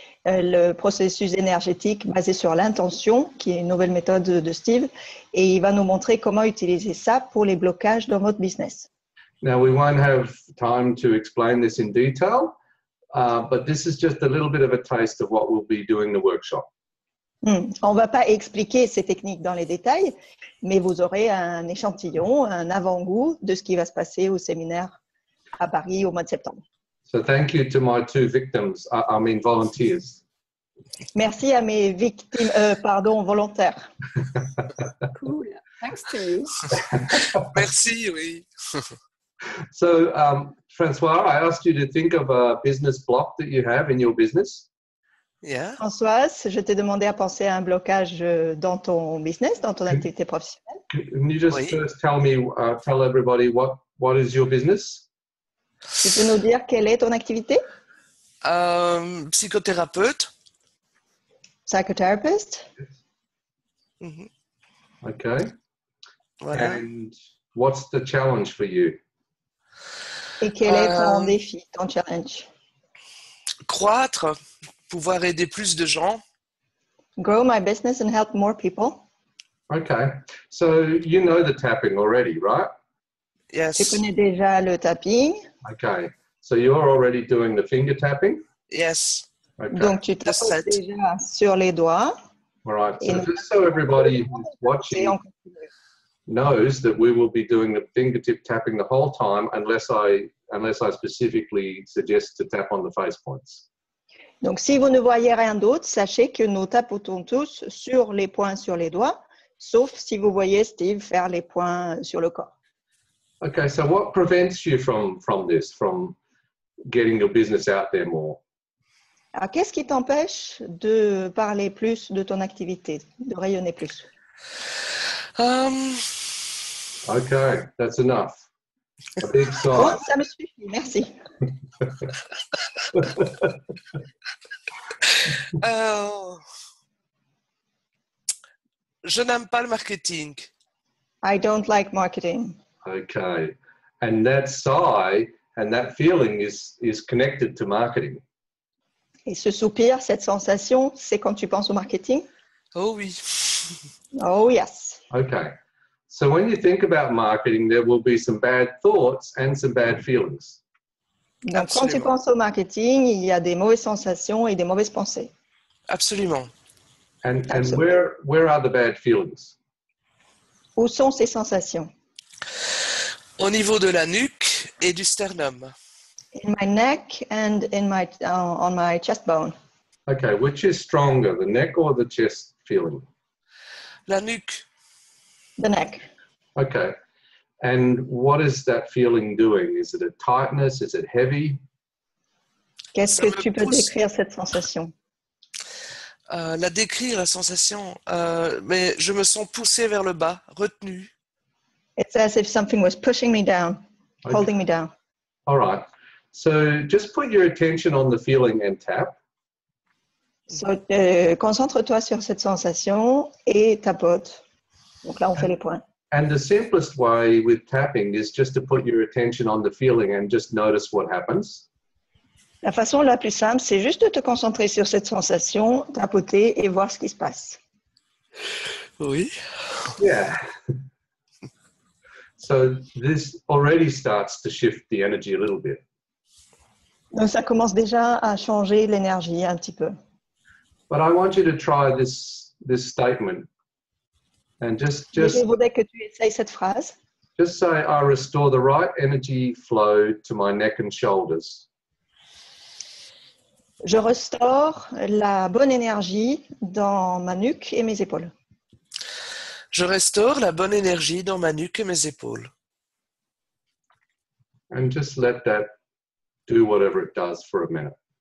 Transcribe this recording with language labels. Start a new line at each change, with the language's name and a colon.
French: Le processus énergétique basé sur l'intention, qui est une nouvelle méthode de Steve, et il va nous montrer comment utiliser ça pour les blocages dans votre business.
English: Now, we won't have time to explain this in detail, but this is just a little bit of a taste of what we'll be doing the workshop.
French: On ne va pas expliquer ces techniques dans les détails, mais vous aurez un échantillon, un avant-goût de ce qui va se passer au séminaire à Paris au mois de septembre.
English: So thank you to my two victims, I mean volunteers.
French: Merci à mes victimes, volontaires.
English: Cool, thanks to you.
French: Merci, oui.
English: So, François, I asked you to think of a business block that you have in your business. Yeah.
French: Françoise, je t'ai demandé à penser à un blocage dans ton business, dans ton activité professionnelle.
English: Can you just first tell me, tell everybody what is your business?
French: Tu peux nous dire quelle est ton activité? Psychothérapeute.
English: Psychotherapist. Yes. Mm-hmm. Okay. Voilà. And what's the challenge for you?
French: Et quel est ton défi, ton challenge? Croître. Pouvoir aider plus de gens.
English: Grow my business and help more people. Okay, so you know the tapping already, right? Yes.
French: Tu connais déjà le tapping.
English: Okay, so you're already doing the finger tapping? Yes.
French: Okay. Donc tu tapes déjà sur les doigts.
English: All right, so just so everybody watching knows that we will be doing the fingertip tapping the whole time unless I specifically suggest to tap on the face points.
French: Donc, si vous ne voyez rien d'autre, sachez que nous tapotons tous sur les points sur les doigts, sauf si vous voyez Steve faire les points sur le corps.
English: Okay, so what prevents you from this, from getting your business out there more?
French: Alors, qu'est-ce qui t'empêche de parler plus de ton activité, de rayonner plus?
English: Okay, that's enough. A big sigh.
French: Bon, ça me suffit, merci. je n'aime pas le marketing.
English: I don't like marketing. Okay. And that sigh and that feeling is connected to marketing.
French: Et ce soupir, cette sensation, c'est quand tu penses au marketing? Oh oui.
English: Oh yes. Okay. So when you think about marketing, there will be some bad thoughts and some bad feelings.
French: Donc, absolument. Quand tu penses au marketing, il y a des mauvaises sensations et des mauvaises pensées. Absolument.
English: And where are the bad feelings?
French: Où sont ces sensations? Au niveau de la nuque et du sternum.
English: In my neck and in my on my chest bone. Okay, which is stronger, the neck or the chest feeling?
French: La nuque.
English: The neck. Okay. And what is that feeling doing? Is it a tightness? Is it heavy?
French: Qu'est-ce que tu peux décrire cette sensation? Mais je me sens poussé vers le bas, retenu.
English: It's as if something was pushing me down, holding me down. All right. So just put your attention on the feeling and tap.
French: So concentre-toi sur cette sensation et tapote. Donc là, on fait les points.
English: And the simplest way with tapping is just to put your attention on the feeling and just notice what happens.
French: La façon la plus simple, c'est juste de te concentrer sur cette sensation, tapoter et voir ce qui se passe. Oui.
English: Yeah. So this already starts to shift the energy a little bit.
French: Donc ça commence déjà à changer l'énergie un petit peu.
English: But I want you to try this statement. And just
French: je voudrais que tu essayes cette phrase.
English: Just say, I restore the right energy flow to my neck and shoulders.
French: Je restaure la bonne énergie dans ma nuque et mes épaules. Je restaure la bonne énergie dans ma nuque et mes épaules.
English: And just let that do whatever it does for a minute.